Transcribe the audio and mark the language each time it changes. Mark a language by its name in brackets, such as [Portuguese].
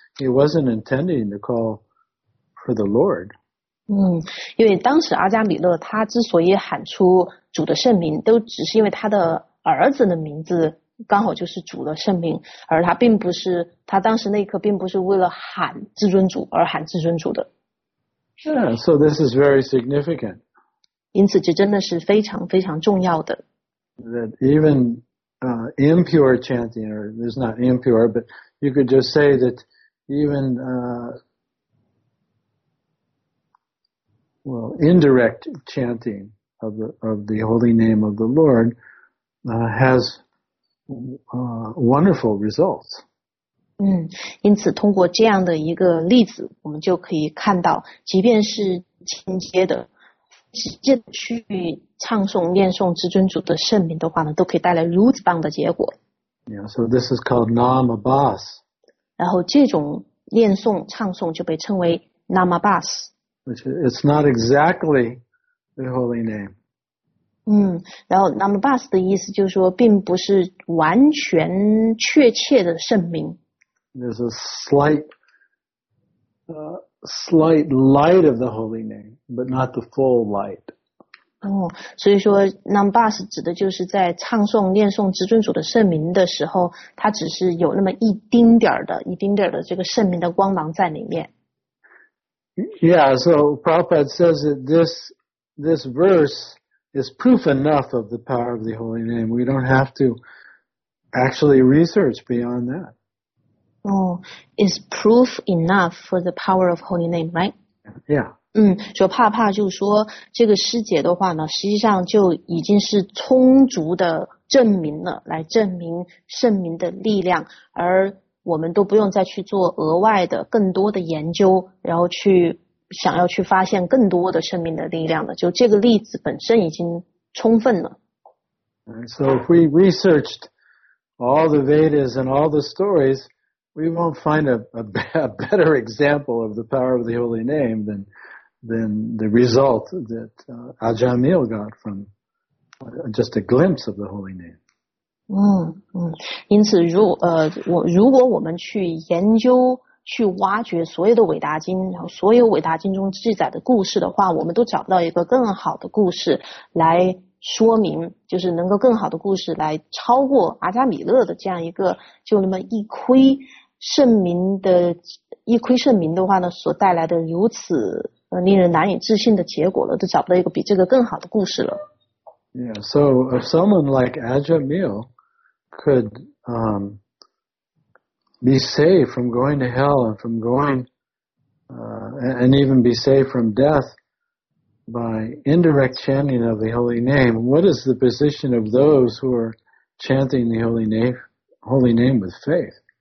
[English] He wasn't intending to call for the Lord. [Chinese] 因为当时阿加米勒他之所以喊出主的圣名都只是因为他的儿子的名字刚好就是主的圣名，而他并不是，他当时那一刻并不是为了喊至尊主而喊至尊主的。 [English] Yeah, so this is very significant. [Chinese] 因此这真的是非常非常重要的。 [English] That even impure chanting, or it's not impure, but you could just say that even indirect chanting of the holy name of the Lord has wonderful results. [Chinese] 因此通过这样的一个例子，我们就可以看到，即便是间接的、直接的去唱诵、念诵至尊主的圣名的话呢，都可以带来如此棒的结果。 [English] Yeah, so this is called Nam Abbas. [Chinese] 然后这种念诵、唱诵就被称为 Nam Abbas. [English] Which it's not exactly the holy name. [Chinese] 然后 Nam Abbas 的意思就是说并不是完全确切的圣名。 [English] There's a slight light of the holy name, but not the full light. [Chinese] 所以说 Nam Abbas 指的就是在唱诵念诵至尊主的圣名的时候，它只是有那么一丁点的这个圣名的光芒在里面。 [English] Yeah, so Prabhupada says that this verse,is proof enough of the power of the holy name. We don't have to actually research beyond that. Is proof enough for the power of holy name, right? Yeah. [Chinese] 说怕怕就说这个师姐的话呢，实际上就已经是充足的证明了，来证明圣名的力量，而我们都不用再去做额外的更多的研究，然后去想要去发现更多的生命的力量的，就这个例子本身已经充分了。 [English] And so if we researched all the Vedas and all the stories, we won't find a better example of the power of the holy name than the result that Ajamil got from just a glimpse of the holy name. [Chinese] 因此如果我们去研究去挖掘所有的伟大经，然后所有伟大经中记载的故事的话，我们都找不到一个更好的故事来说明，就是能够更好的故事来超过阿加米勒的这样一个就那么一窥圣名的话呢所带来的如此令人难以置信的结果了，都找不到一个比这个更好的故事了。 [English] Yeah, so if someone like Ajamil could be saved from going to hell and from going and even be saved from death by indirect chanting of the holy name, what is the position of those who are chanting the holy name with faith?